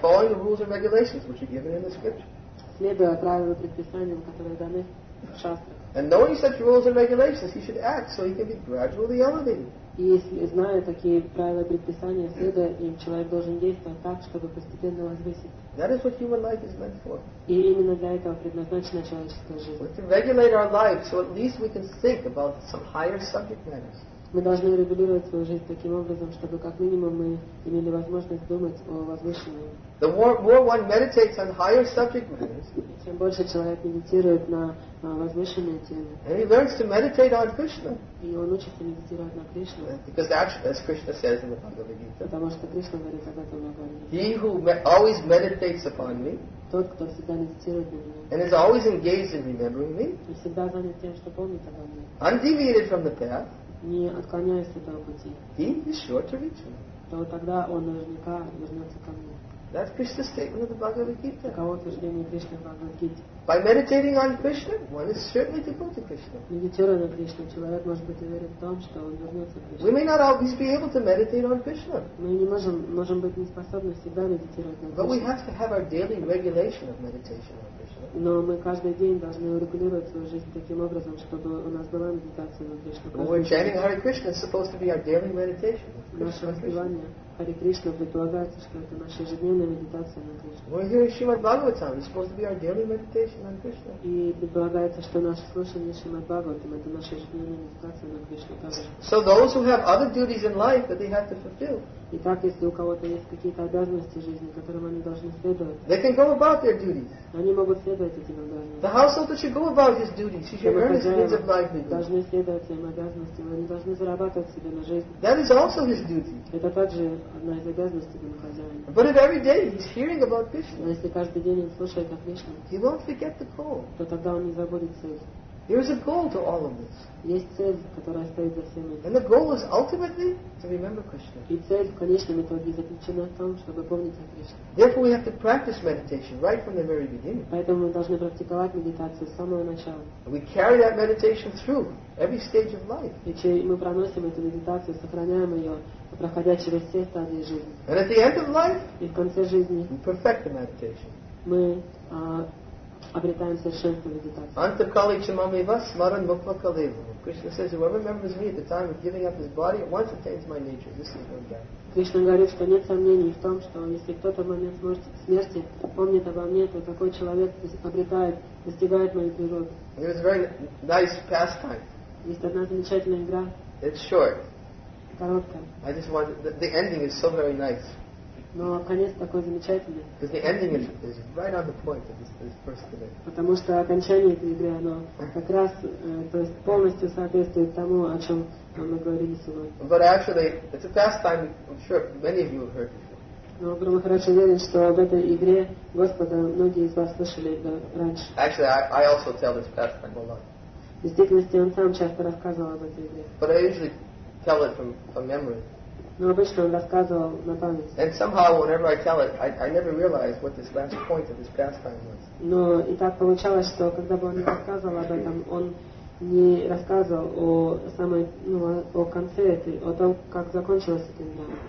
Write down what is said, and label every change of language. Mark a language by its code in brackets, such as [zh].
[en] By following the rules and regulations which are given in the scripture. [ru] Следуя правилам и предписаниям, которые даны в шастрах. [en] And knowing such rules and regulations, he should act so he can be gradually elevated. [ru] Если зная такие правила предписания, следуя им, человек должен действовать так, чтобы постепенно возвыситься. [en] That is what human life is meant for. [ru] И именно для этого предназначена человеческая жизнь. [en] To regulate our life, so at least we can think about some higher subject matters. [ru] Мы должны регулировать свою жизнь таким образом, чтобы как минимум мы имели возможность думать о возвышенном. [en] The more one meditates on higher subject matters. [ru] Чем больше человек медитирует на возвышенные темы. [en] And he learns to meditate on Krishna. [ru] И он учится медитировать на Кришну. [en] Because actually, as Krishna says in the Bhagavad Gita. [ru] Потому что Кришна говорит об этом в Бхагавад Гите. [en] He who always meditates upon me. [ru] Тот, кто всегда медитирует на меня. [en] And is always engaged in remembering me. [ru] И всегда занят тем, что помнит обо мне. [en] Undeviated from the path. [ru] Не отклоняясь с этого пути. [en] He is sure to reach me. [ru] То тогда он наверняка вернется ко мне. [en] That's Krishna's statement of the Bhagavad Gita. [ru] Таково утверждение Кришны в Бхагавад Гите. [en] By meditating on Krishna, one is certainly devoted to Krishna. [ru] Медитируя на Кришне, человек может быть уверен в том, что он вернется к Кришне. [en] We may not always be able to meditate on Krishna. [ru] Мы не можем, можем быть не способны всегда медитировать на Кришне. [en] But we have to have our daily regulation of meditation on Krishna. [ru] Но мы каждый день должны урегулировать свою жизнь таким образом, чтобы у нас была медитация на Кришне. [en] When we're chanting Hare Krishna, it's supposed to be our daily meditation. [ru] Наше воспевание Hare Krishna предполагается, что это наша ежедневная медитация на Кришне. [en] When we're hearing Srimad Bhagavatam, it's supposed to be our daily meditation. [ru] И предполагается, что наш прошлый Шримад Бхагаватам, это наша ежедневная медитация на Кришну также. Итак, если у кого-то есть какие-то обязанности в жизни, которым они должны следовать, [en] they can go about their duties. [ru] Они могут следовать этим обязанностям. [en] The householder should go about his duties. He should earn his means of livelihood. [ru] Должны следовать своим обязанностям, они должны зарабатывать себе на жизнь. [en] That is also his duty. [ru] Это также одна из обязанностей домохозяина. [en] But if every day he's hearing about Krishna, [ru] если каждый день он слушает о Кришне, [en] he won't forget the call. [ru] То тогда он не забудет цель. [en] There is a goal to all of this. [ru] Есть цель, которая стоит за всем этим. [en] And the goal is ultimately to remember Krishna. [ru] И цель в конечном итоге заключена в том, чтобы помнить о Кришне. [en] Therefore, we have to practice meditation right from the very beginning. [ru] Поэтому мы должны практиковать медитацию с самого начала. [en] And we carry that meditation through every stage of life. [ru] И мы проносим эту медитацию, сохраняем ее, проходя через все стадии жизни. [en] And at the end of life, [ru] и в конце жизни, [en] we perfect the meditation. [ru] Обретаем совершенство медитации. [sa] Anta kali chamami vas smaran mukha kalevo. [en] Krishna says, whoever remembers me at the time of giving up his body, at once attains my nature. This is one guy. [ru] Кришна говорит, что нет сомнений в том, что если кто-то в момент смерти помнит обо мне, то такой человек обретает, достигает моей природы. [en] And it was a very nice pastime. [ru] Есть одна замечательная игра. [en] It's short. [ru] Короткая. [en] I just want the ending is so very nice. [ru] Но конец такой замечательный. [en] Because the ending is right on the point of this first today. [ru] Потому что окончание этой игры, оно как раз, то есть полностью соответствует тому, о чем мы говорили сегодня. [en] But actually, it's a pastime. I'm sure many of you have heard before. [ru] Но мы хорошо верим, что об этой игре Господа многие из вас слышали раньше. [en] Actually, I also tell this pastime a lot. [ru] В действительности он сам часто рассказывал об этой игре. [en] But I usually tell it from memory. [ru] Но обычно он рассказывал на память. [en] And somehow, whenever I tell it, I never realized what this last point of this pastime was. [ru] Но и так получалось, что когда бы он не рассказывал об этом, он не рассказывал о самой, ну, о конце этой, о том, как закончилась эта игра.